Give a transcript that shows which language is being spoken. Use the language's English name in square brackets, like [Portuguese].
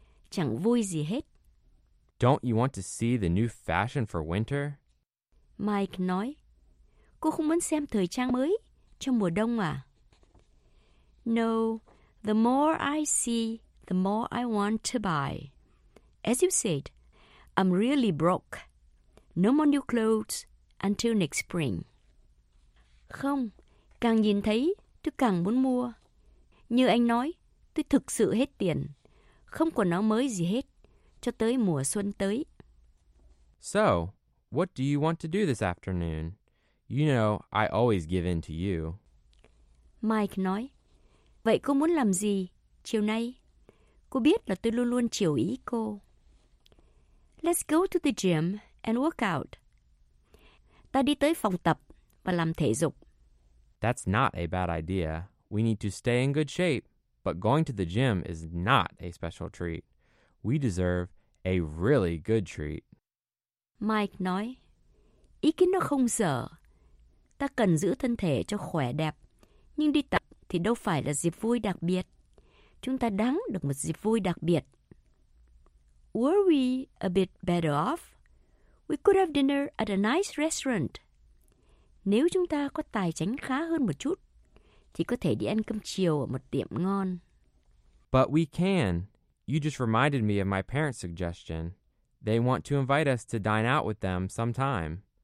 [Vietnamese] Chẳng vui gì hết. [English] Don't you want to see the new fashion for winter? [Vietnamese] Mike nói, cô không muốn xem thời trang mới cho mùa đông à? [English] No, the more I see, the more I want to buy. As you said, I'm really broke. No more new clothes until next spring. [Vietnamese] Không, càng nhìn thấy, tôi càng muốn mua. Như anh nói, tôi thực sự hết tiền. Không quần áo mới gì hết, cho tới mùa xuân tới. [English] So, what do you want to do this afternoon? You know, I always give in to you. [Vietnamese] Mike nói, vậy cô muốn làm gì chiều nay? Cô biết là tôi luôn luôn chiều ý cô. [English] Let's go to the gym and work out. [Vietnamese] Ta đi tới phòng tập và làm thể dục. [English] That's not a bad idea. We need to stay in good shape. But going to the gym is not a special treat. We deserve a really good treat. [Vietnamese] Mike nói, ý kiến nó không dở. Ta cần giữ thân thể cho khỏe đẹp. Nhưng đi tập thì đâu phải là dịp vui đặc biệt. Chúng ta đáng được một dịp vui đặc biệt. [English] Were we a bit better off? We could have dinner at a nice restaurant. [Vietnamese] Nếu chúng ta có tài chính khá hơn một chút, thì có thể đi ăn cơm chiều ở một tiệm ngon. [English] But we can. You just reminded me of my parents' suggestion. They want to invite us to dine out with them sometime.